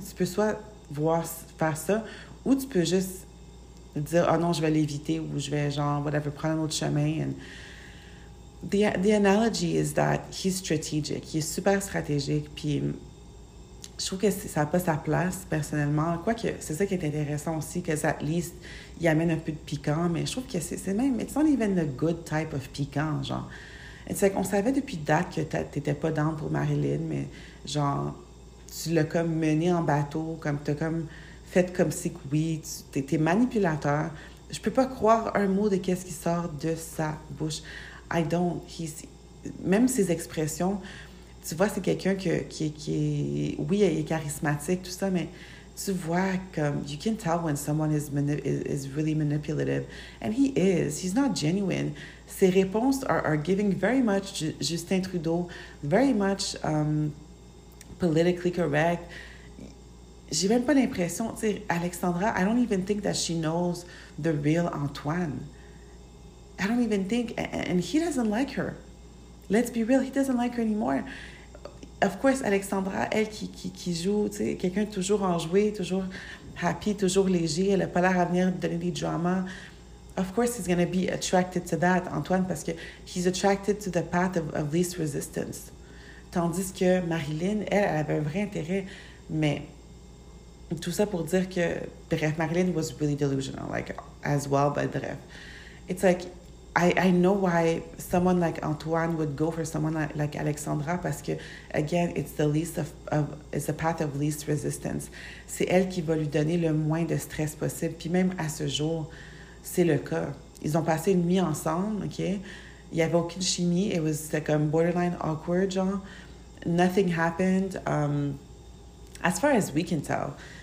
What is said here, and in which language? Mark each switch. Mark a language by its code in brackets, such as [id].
[fr] Tu peux soit voir faire ça, ou tu peux juste dire, ah oh non, je vais l'éviter, ou je vais, genre, whatever, prendre un autre chemin. [en] And the analogy is that he's strategic. [fr] Il est super stratégique, puis je trouve que ça n'a pas sa place, personnellement. Quoique, c'est ça qui est intéressant aussi, que [en] at least... [fr] Il amène un peu de piquant, mais je trouve que c'est même... [en] It's not even the good type of piquant, genre. It's like, [fr] on savait depuis date que t'étais pas down pour Marilyn, mais genre, tu l'as comme mené en bateau, comme t'as comme fait comme si que oui, t'es manipulateur. Je peux pas croire un mot de qu'est-ce qui sort de sa bouche. [en] I don't. He's, [fr] même ses expressions, tu vois, c'est quelqu'un qui est... Oui, il est charismatique, tout ça, mais... Tu vois comme, [en] you can tell when someone is really manipulative. And he is. He's not genuine. [fr] Ses réponses [en] are giving very much Justin Trudeau, very much politically correct. [fr] J'ai même pas l'impression, tu sais, [en] Alexandra, I don't even think that she knows the real Antoine. I don't even think, and he doesn't like her. Let's be real, he doesn't like her anymore. Of course, [fr] Alexandra, elle qui joue, tu sais, quelqu'un toujours enjoué, toujours happy, toujours léger, elle n'a pas l'air à venir donner des dramas. [en] Of course, he's going to be attracted to that, Antoine, [fr] parce que [en] he's attracted to the path of least resistance. [fr] Tandis que Marilyn, elle avait un vrai intérêt, mais tout ça pour dire que, bref, [en] Marilyn was really delusional, like, as well, [fr] but bref. [en] It's like, I know why someone like Antoine would go for someone like Alexandra [fr] parce que, [en] again, it's the least of it's a path of least resistance. [fr] C'est elle qui va lui donner le moins de stress possible. Puis même à ce jour, c'est le cas. Ils ont passé une nuit ensemble, OK? Il y avait aucune chimie. [en] It was like a borderline awkward, genre. Nothing happened. As far as we can tell,